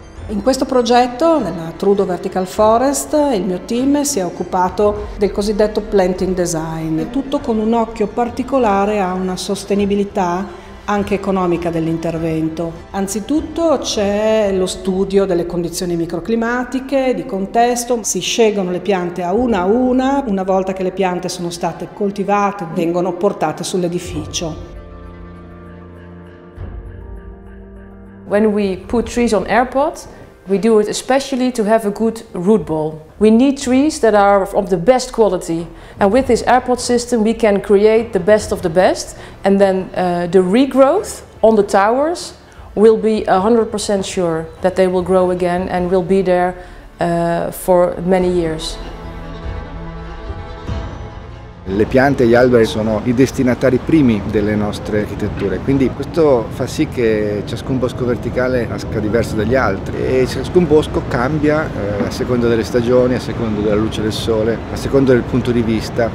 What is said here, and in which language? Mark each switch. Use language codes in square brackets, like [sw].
[it] In questo progetto, nella Trudo Vertical Forest, il mio team si è occupato del cosiddetto planting design, tutto con un occhio particolare a una sostenibilità anche economica dell'intervento. Anzitutto c'è lo studio delle condizioni microclimatiche, di contesto, si scelgono le piante a, una volta che le piante sono state coltivate, vengono portate sull'edificio. [en] When we put trees on airports, we do it especially to have a good root ball. We need trees that are of the best quality, and with this airport system we can create the best of the best, and then the regrowth on the towers will be 100% sure that they will grow again and will be there for many years. [it] Le piante e gli alberi sono i destinatari primi delle nostre architetture, quindi questo fa sì che ciascun bosco verticale nasca diverso dagli altri e ciascun bosco cambia a seconda delle stagioni, a seconda della luce del sole, a seconda del punto di vista.